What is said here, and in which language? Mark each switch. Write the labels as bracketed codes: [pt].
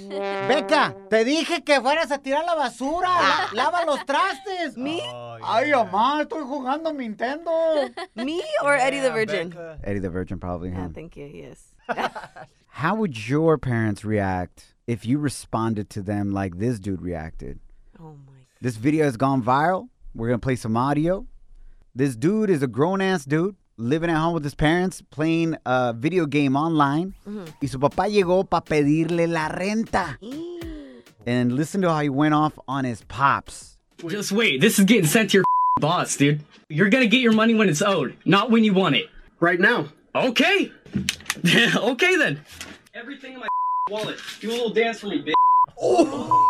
[es] Becca, te dije que fueras a tirar la basura. Lava los trastes. [en] Me? [es] Ay, mamá, estoy jugando Nintendo. [en] Me or Eddie the Virgin? Becca. Eddie the Virgin, probably. Yeah, thank you. Yes. How would your parents react if you responded to them like this dude reacted? This video has gone viral. We're going to play some audio. This dude is a grown-ass dude living at home with his parents playing a video game online. [es] Mm-hmm. Y su papá llegó para pedirle la renta. [en] And listen to how he went off on his pops. Just wait. This is getting sent to your boss, dude. You're going to get your money when it's owed, not when you want it. Right now. Okay. Okay, then. Everything in my wallet. Do a little dance for me, bitch. Oh,